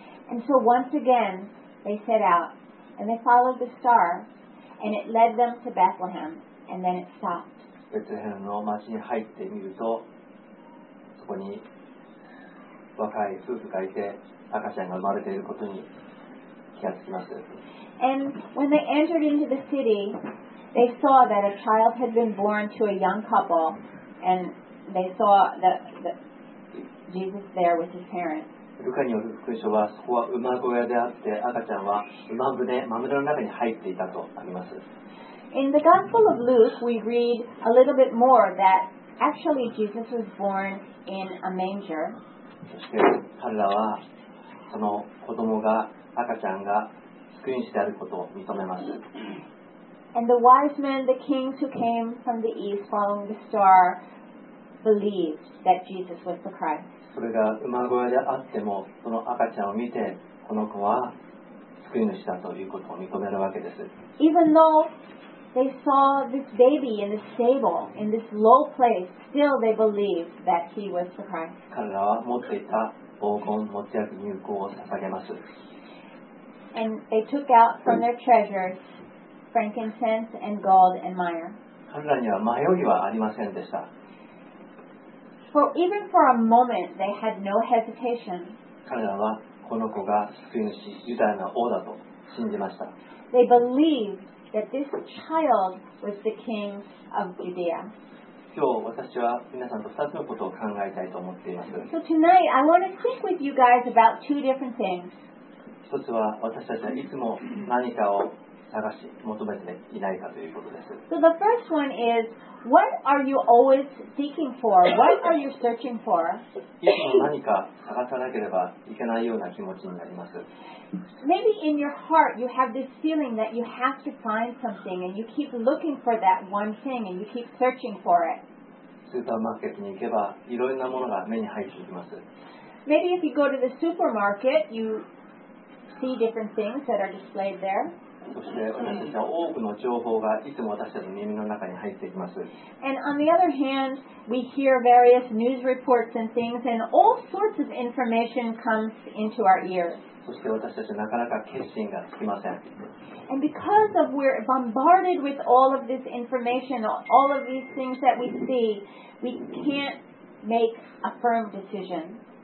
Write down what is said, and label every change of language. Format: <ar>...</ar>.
<en>And so once again, they set out and they followed the star. And it led them to Bethlehem, and then it stopped.</en> <ja>ベツレヘムの町に入ってみると、そこに若い夫婦がいて、赤ちゃんが生まれていることに気がつきます。</ja> <en>And when they entered into the city, they saw that a child had been born to a young couple, and they saw the Jesus there with his parents.</en> <ja>ルカによる福音書はそこは馬小屋であって赤ちゃんは馬舟、豆の中に入っていたとあります。</ja> <en>In the Gospel of Luke, we read a little bit more that actually Jesus was born in a manger.</en> <ja>そして彼らはその子供が赤ちゃんが救い主であることを認めます。</ja> <en>And the wise men, the kings who came from the east following the star, believed that Jesus was the Christ.</en> <ja>それが馬小屋であっても、その赤ちゃんを見て、この子は救い主だということを認めるわけです。</ja> <en>Even though they saw this baby in the stable, in this low place, still they believed that he was the Christ.</en> <ja>彼らは持っていた黄金、持ち上げ乳香を捧げます。</ja> <en>And they took out from their treasures frankincense and gold and myrrh.</en> <ja>彼らには迷いはありませんでした。</ja> <en>For even for a moment, they had no hesitation.</en> <ja>彼らはこの子が救い主、ユダヤの王だと信じました。</ja> <en>They believed that this child was the king of Judea.</en> <ja>今日私は皆さんと二つのことを考えたいと思っています。</ja> <en>So tonight, I want to speak with you guys about two different things.</en> <ja>一つは私たちはいつも何かを探し求めていないかということです。</ja> <en>So the first one is,What are you always seeking for? What are you searching for?</en> <ja>いつも何か探さなければいけないような気持ちになります。</ja> <en>Maybe in your heart you have this feeling that you have to find something and you keep looking for that one thing and you keep searching for it.</en> <ja>スーパーマーケットに行けばいろいろなものが目に入ってきます。</ja> <en>Maybe if you go to the supermarket you see different things that are displayed there.</en> <ja>そして私たちは多くの情報がいつも私たちの耳の中に入ってきます。</ja> <en>And on the other hand, we hear various news reports and things, and all sorts of information comes into our ears.</en> <ja>そして私たちはなかなか決心がつきません。</ja> <en>And because of we're bombarded with all of this information, all of these things that we see, we can't make a firm decision.</en>